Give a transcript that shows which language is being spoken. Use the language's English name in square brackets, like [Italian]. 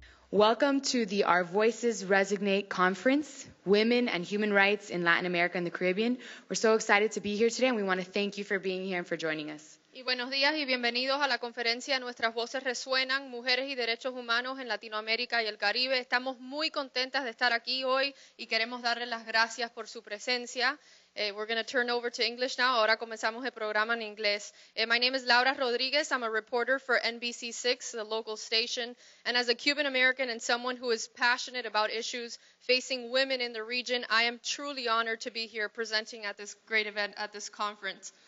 [English] Welcome to the Our Voices Resonate Conference, Women and Human Rights in Latin America and the Caribbean. We're so excited to be here today, and we want to thank you for being here and for joining us. [Spanish] Y buenos días y bienvenidos a la conferencia Nuestras Voces Resuenan, Mujeres y Derechos Humanos en Latinoamérica y el Caribe. Estamos muy contentas de estar aquí hoy y queremos darles las gracias por su presencia. [English] We're going to turn over to English now. [Spanish] Ahora comenzamos el programa en inglés. [English] My name is Laura Rodriguez. I'm a reporter for NBC6, the local station. And as a Cuban American and someone who is passionate about issues facing women in the region, I am truly honored to be here presenting at this great event, at this conference.